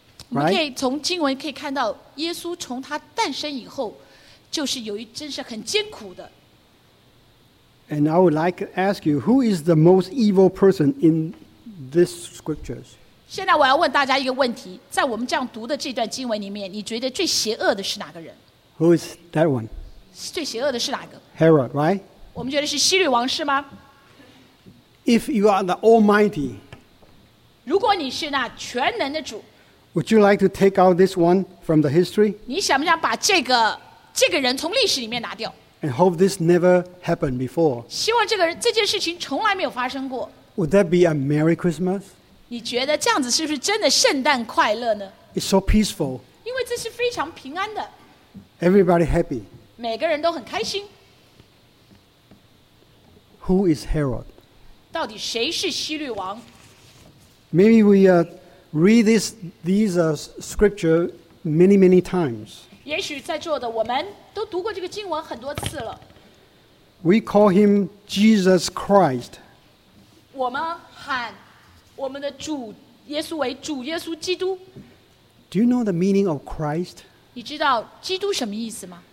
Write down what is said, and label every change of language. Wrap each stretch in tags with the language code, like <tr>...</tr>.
<en>Right?</en> <zh>我们可以从经文可以看到，耶稣从他诞生以后，就是有一真是很艰苦的。</zh> <en>And I would like to ask you, who is the most evil person in this scriptures?</en> <zh>现在我要问大家一个问题，在我们这样读的这段经文里面，你觉得最邪恶的是哪个人？</zh> <en>Who is that one?</en> <zh>最邪恶的是哪个？</zh> <en>Herod, right?</en> <zh>我们觉得是希律王是吗？</zh> <en>If you are the Almighty,</en> <zh>如果你是那全能的主。</zh> <en>Would you like to take out this one from the history?</en> <zh>你想不想把这个人从历史里面拿掉？</zh> <en>And hope this never happened before.</en> <zh>希望这件事情从来没有发生过。</zh> <en>Would that be a Merry Christmas?</en> <zh>你觉得这样子是不是真的圣诞快乐呢？</zh> <en>It's so peaceful.</en> <zh>因为这是非常平安的。</zh> <en>Everybody happy.</en> <zh>每个人都很开心。</zh> <en>Who is Herod?</en> <zh>到底谁是希律王？</zh> <en>Maybe we read these scripture many, many times.</en> <zh>也许在座的我们都读过这个经文很多次了。</zh> <en>We call him Jesus Christ.</en> <zh>我们喊我们的主耶稣为主耶稣基督。</zh> <en>Do you know the meaning of Christ?</en> <zh>你知道基督什么意思吗？</zh>